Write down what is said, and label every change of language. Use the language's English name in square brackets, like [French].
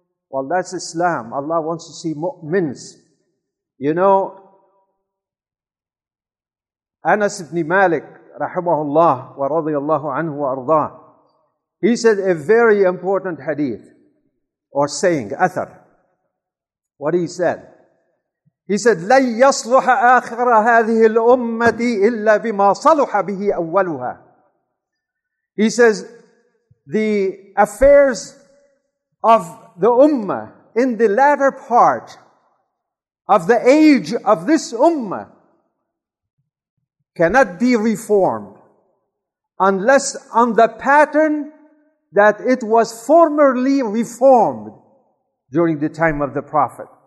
[English] Well, that's Islam. Allah wants to see mu'mins. You know, Anas ibn Malik, rahimahullah wa radiyallahu anhu wa ardah, he said a very important hadith or saying, athar. What he said? He said, [Arabic] لَنْ يَصْلُحَ آخِرَ هَذِهِ الْأُمَّةِ إِلَّا بِمَا صَلُحَ بِهِ أَوَّلُهَا. [English] He says, the affairs of the ummah in the latter part of the age of this ummah cannot be reformed unless on the pattern that it was formerly reformed during the time of the Prophet.